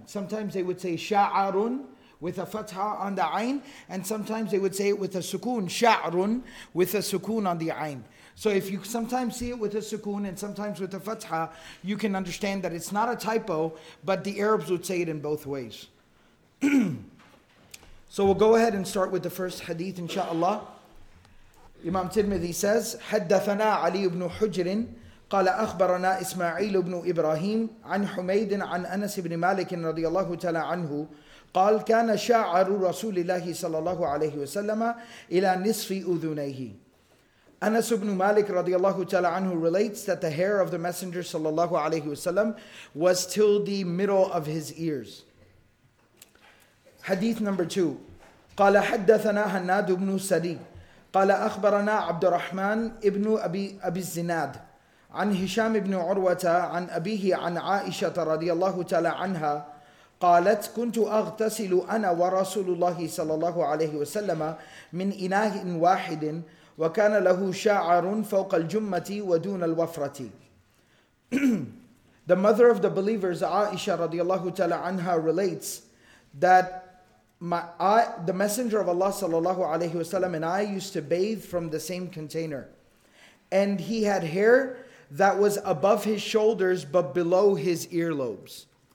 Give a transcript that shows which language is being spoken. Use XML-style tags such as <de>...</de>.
<en>Sometimes they would say sha'arun with a fatha on the ayn, and sometimes they would say it with a sukoon, sha'run, with a sukoon on the ayn. So if you sometimes see it with a sukoon and sometimes with a fatha, you can understand that it's not a typo, but the Arabs would say it in both ways. So we'll go ahead and start with the first hadith, insha'Allah. Imam Tirmidhi says,</en> <ar>حَدَّثَنَا عَلِي بْنُ حُجْرٍ قَالَ أَخْبَرَنَا إِسْمَعِيلُ بْنُ إِبْرَاهِيمُ عَنْ حُمَيْدٍ عَنْ أَنَسِ بْنِ مَالِكٍ رَضِيَ اللَّهُ تَعَالَى عَنْهُ قال كان شعر رسول الله صلى الله عليه وسلم إلى نصف أذنيه.</ar> <en>Anas ibn Malik radiallahu ta'ala anhu relates that the hair of the Messenger sallallahu alayhi wasallam was till the middle of his ears. Hadith number two.</en> <ar>قال حدثنا هناد بن سري قال أخبرنا عبد الرحمن ابن أبي الزناد عن هشام بن عروة عن أبيه عن عائشة radiallahu ta'ala anha قالت كنت أغتسل أنا ورسول الله صلى الله عليه وسلم من إناء واحد وكان له شعر فوق الجمة ودون الوفرة.</ar> <en>The mother of the believers, Aisha radiallahu ta'ala anha, relates that the Messenger of Allah صلى الله عليه وسلم and I used to bathe from the same container, and he had hair that was above his shoulders but below his earlobes.</en>